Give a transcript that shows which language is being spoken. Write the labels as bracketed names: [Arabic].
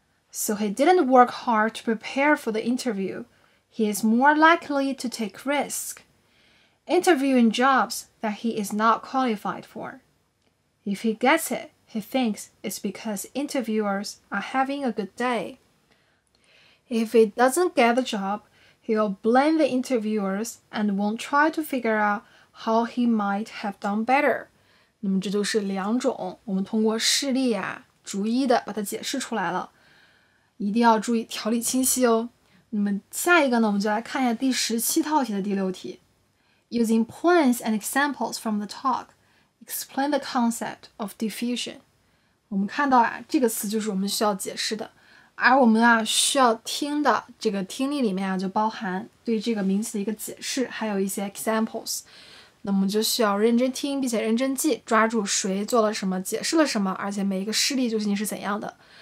[English] So he didn't work hard to prepare for the interview. He is more likely to take risk, interviewing jobs that he is not qualified for. If he gets it, he thinks it's because interviewers are having a good day. If he doesn't get the job, he'll blame the interviewers and won't try to figure out how he might have done better. [Chinese] 那么这就是两种，我们通过事例啊，逐一的把它解释出来了。一定要注意条理清晰哦。那么下一个呢，我们就来看一下第十七套题的第六题。 [English] Using points and examples from the talk, explain the concept of diffusion. [Chinese] 我们看到啊，这个词就是我们需要解释的。而我们啊需要听的这个听力里面啊就包含对这个名词的一个解释，还有一些 examples。那么就需要认真听，并且认真记，抓住谁做了什么，解释了什么，而且每一个事例究竟是怎样的。